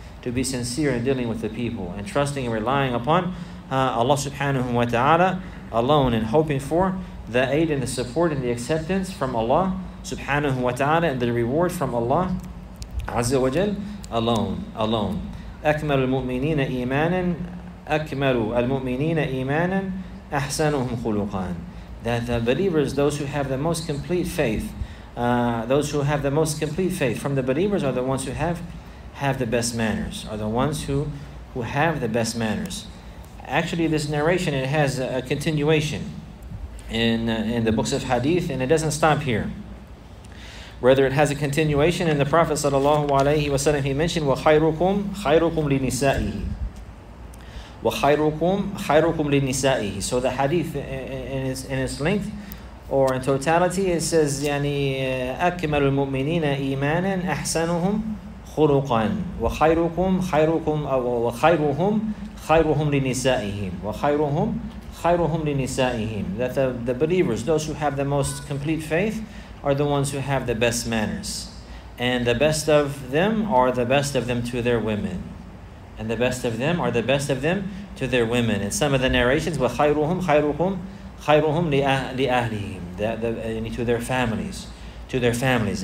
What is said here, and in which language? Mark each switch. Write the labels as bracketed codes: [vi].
[en] To be sincere in dealing with the people and trusting and relying upon Allah subhanahu wa ta'ala alone, and hoping for the aid and the support and the acceptance from Allah subhanahu wa ta'ala, and the reward from Allah azza wa jal alone. [ar] أكمل المؤمنين إيمانا أكمل المؤمنين إيمانا أحسنهم خلقا. [en] That the believers, those who have the most complete faith, those who have the most complete faith from the believers are the ones who have the best manners, are the ones who have the best manners. Actually, this narration, it has a continuation in the books of hadith, and it doesn't stop here. Rather, it has a continuation in the Prophet sallallahu alaihi wasallam. He mentioned [ar] وَخَيْرُكُمْ خَيْرُكُمْ لِنِسَائِهِ وَخَيْرُكُمْ خَيْرُكُمْ لِنِسَائِهِ. [en] So the hadith in its length or in totality, it says [ar] يعني أكمل المؤمنين إيمانا أحسنهم خلقا وخيركم خيركم أو وخيرهم خيرهم لنسائهم وخيرهم خيرهم لنسائهم. [en] That the believers, those who have the most complete faith, are the ones who have the best manners. And the best of them are the best of them to their women. And the best of them are the best of them to their women. And some of the narrations, [ar] وَخَيْرُهُمْ خَيْرُكُمْ خَيْرُهُمْ لِأَهْلِهِمْ [en] to their families. To their families.